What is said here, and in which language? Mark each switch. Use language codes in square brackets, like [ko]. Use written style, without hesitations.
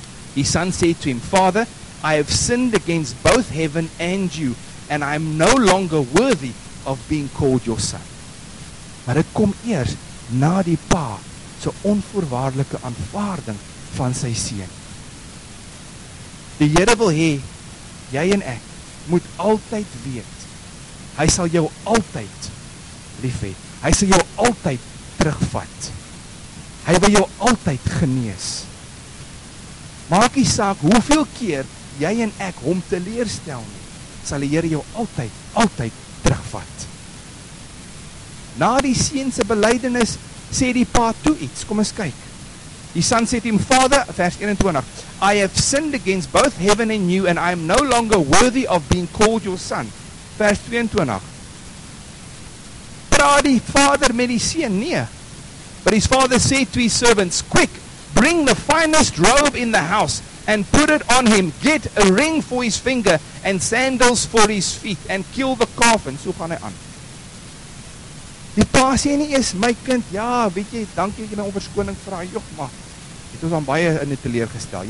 [en] His son said to him, Father, I have sinned against both heaven and you, and I am no longer worthy of being called your son. [af] Maar dit kom eers na die pa so onvoorwaardelike aanvaarding van sy seun. Die Here wil hê jy en ek moet altyd weet, hy sal jou altyd lief hê. Hy sal jou altyd terugvat. Hy wil jou altyd genees. Maak nie saak hoeveel keer jy en ek hom teleerstel nie, sal die Here jou altyd, altyd terugvat. Na die seun se belydenis sê die pa toe iets, kom ons kyk. Die son sê hom, Vader, vers 21, [en] I have sinned against both heaven and you, and I am no longer worthy of being called your son. [af] Vers 22, praat die vader met die seun, nee. [en] But his father said to his servants, quick, bring the finest robe in the house, and put it on him, get a ring for his finger, and sandals for his feet, and kill the calf, and [af] so gaan hy aan. Die pa sê nie eers, my kind, ja, weet jy, dankie dat jy my om verskoning vra, joh, maar het ons aan baie in die teleurgestel.